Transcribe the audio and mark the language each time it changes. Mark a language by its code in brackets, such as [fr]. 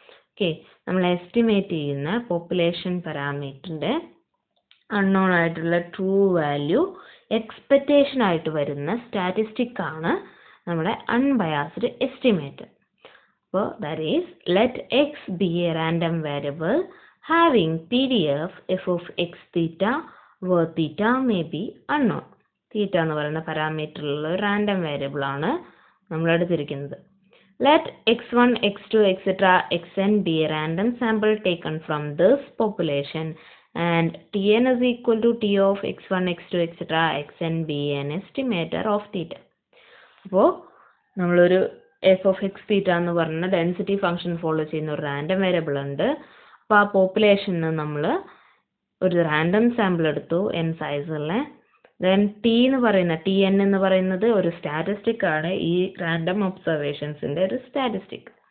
[ml] Okay, നമ്മൾ estimate ചെയ്യുന്ന population പാരാമീറ്ററിൻ്റെ unknown ആയിട്ടുള്ള ട്രൂ വാല്യൂ എക്സ്പെക്റ്റേഷൻ ആയിട്ട് വരുന്ന സ്റ്റാറ്റിസ്റ്റിക്കാണ് നമ്മുടെ അൺബയാസ്ഡ് എസ്റ്റിമേറ്റ്. [en] അപ്പോൾ that is let X be a random variable having P D F F of X theta where theta may be unknown. [ml] തീറ്റ എന്ന് പറയുന്ന പാരാമീറ്ററിലുള്ള ഒരു റാൻഡം വേരിയബിളാണ് നമ്മൾ എടുത്തിരിക്കുന്നത്. [en] Let x1, x2, etc., xn be a random sample taken from this population and tn is equal to t of x1, x2, etc., xn be an estimator of theta. [ml] അപ്പോൾ നമ്മളൊരു F of X തീറ്റ എന്ന് പറഞ്ഞ density function follow ചെയ്യുന്ന ഒരു random variable ഉണ്ട്. അപ്പോൾ ആ പോപ്പുലേഷനിൽ നമ്മൾ ഒരു റാൻഡം സാമ്പിൾ എടുത്തു എൻ സൈസിലെ. ദെൻ ടി എന്ന് പറയുന്ന ടി എൻ എന്ന് പറയുന്നത് ഒരു സ്റ്റാറ്റിസ്റ്റിക് ആണ്, ഈ റാൻഡം ഒബ്സർവേഷൻസിൻ്റെ ഒരു സ്റ്റാറ്റിസ്റ്റിക്.